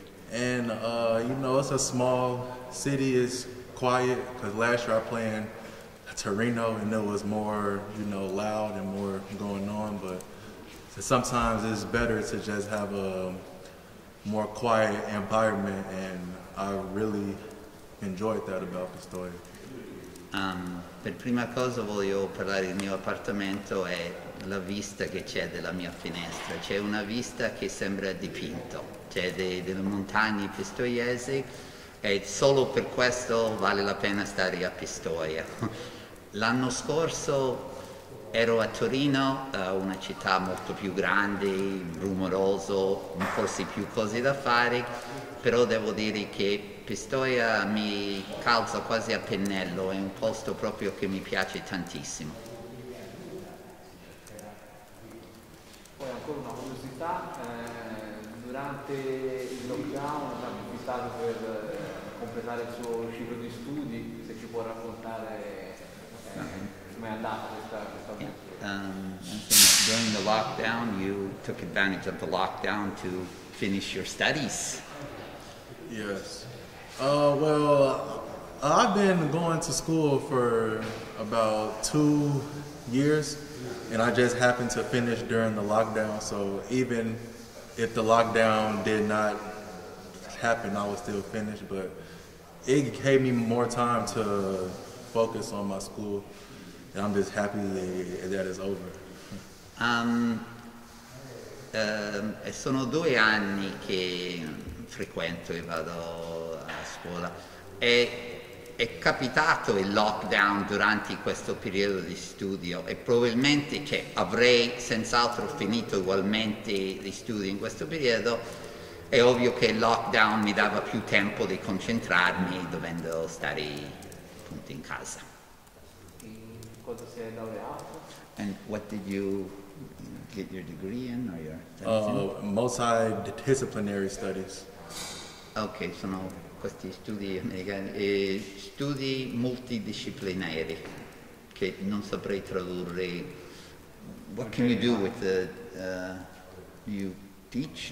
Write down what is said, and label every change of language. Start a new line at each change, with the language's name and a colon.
English: And you know, it's a small city. It's quiet, because last year I played in Torino and it was more, you know, loud and more going on. But sometimes it's better to just have a more quiet environment, and I really enjoyed that about Pistoia.
Italian: Per prima cosa voglio parlare del mio appartamento e la vista che c'è della mia finestra. C'è una vista che sembra dipinto, cioè delle montagne pistoiesi, e solo per questo vale la pena stare a Pistoia. L'anno scorso ero a Torino, una città molto più grande, rumoroso, forse più cose da fare, però devo dire che Pistoia mi calza quasi a pennello, è un posto proprio che mi piace tantissimo. Poi ancora una curiosità, durante il lockdown ha visitato per completare il suo ciclo di studi, se ci può raccontare com'è andata questa avventura.
English: During the lockdown you took advantage of the lockdown to finish your studies. Yes. Well, I've been going to school for about 2 years, and I just happened to finish during the lockdown, so even if the lockdown did not happen, I was still finished, but it gave me more time to focus on my school, and I'm just happy that it's over.
Italian: Sono 2 anni che frequento e vado a scuola, e è capitato il lockdown durante questo periodo di studio e probabilmente che avrei senz'altro finito ugualmente gli studi in questo periodo, è ovvio che il lockdown mi dava più tempo di concentrarmi dovendo stare appunto in casa. Quando sei laureato?
English: And what did you get your degree in? Or your multidisciplinary studies.
Italian: Ok, sono questi studi americani, studi multidisciplinari, che non saprei tradurre.
English: What can you do with the, you teach?